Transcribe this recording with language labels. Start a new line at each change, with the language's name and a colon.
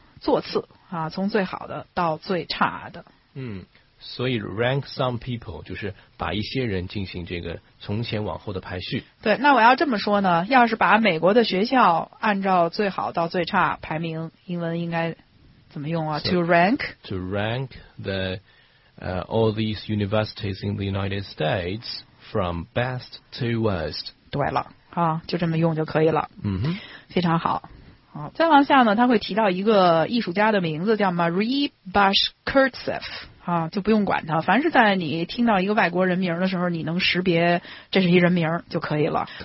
Chinese: 座次啊，从最好的到最差的。嗯，所以 rank some people 就是把一些人进行这个从前往后的排序。对，那我要这么说呢，要是把美国的学校按照最好到最差排名，英文应该怎么用啊 ？
English: To rank. To rank the all these universities in the United States from best to worst.
Chinese: 对了，啊，就这么用就可以了。嗯哼，非常好。好，再往下呢，他会提到一个艺术家的名字叫 Marie Bashkirtseff 啊，就不用管他。凡是在你听到一个外国人名的时候，你能识别这是一人名就可以了。